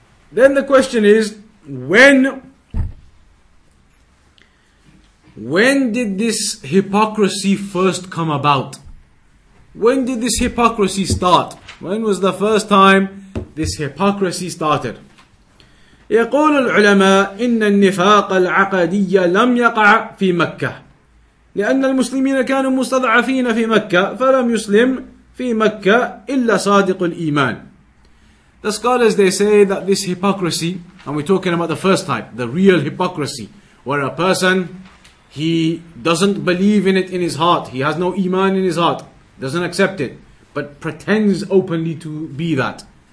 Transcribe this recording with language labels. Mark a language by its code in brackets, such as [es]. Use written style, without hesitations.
[en] Then the question is, when did this hypocrisy first come about? When did this hypocrisy start? When was the first time this hypocrisy started? [ar] يقول العلماء إن النفاق العقدي لم يقع في مكة لأن المسلمين كانوا مستضعفين في مكة فلم يسلم في مكة إلا صادق الإيمان. [en] The scholars, they say that this hypocrisy, and we're talking about the first type, the real hypocrisy, where a person, he doesn't believe in it in his heart, he has no iman in his heart, doesn't accept it, but pretends openly to be that.